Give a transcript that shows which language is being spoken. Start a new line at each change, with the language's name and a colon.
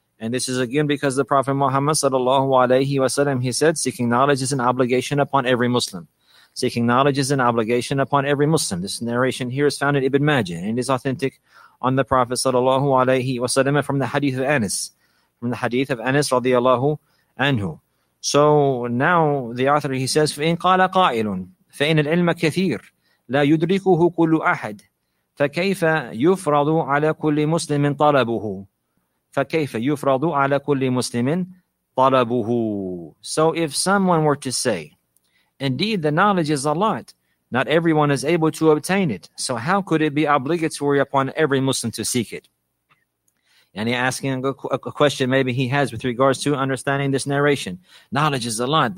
English: And this is again because the Prophet Muhammad sallallahu alayhi wa sallam, he said, seeking knowledge is an obligation upon every Muslim. Seeking knowledge is an obligation upon every Muslim. This narration here is found in Ibn Majah and is authentic on the Prophet sallallahu alayhi wa sallam from the hadith of Anas. From the hadith of Anas radiallahu anhu. So now the author, he says,
Arabic: فَإِنْ قَالَ قَائِلٌ فإن العلم كثير لا يدركه كل أحد فكيف يفرض على كل مسلم طلبه فكيف يفرض على كل مسلم طلبه.
English: So if someone were to say, indeed the knowledge is a lot, not everyone is able to obtain it, so how could it be obligatory upon every Muslim to seek it? And he's asking a question maybe he has with regards to understanding this narration. Knowledge is a lot.